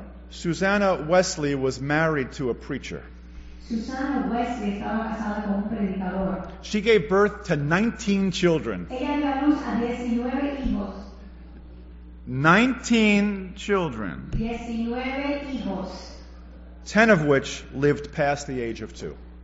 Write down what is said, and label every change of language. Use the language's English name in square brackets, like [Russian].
[English] Susanna Wesley was married to a preacher. [Spanish] Susanna Wesley estaba casada con un predicador. [English] She gave birth to 19 children. [Spanish] Ella dio a luz a 19 hijos. [English] 19 children. [Spanish] 19 hijos. [English] 10 of which lived past the age of 2.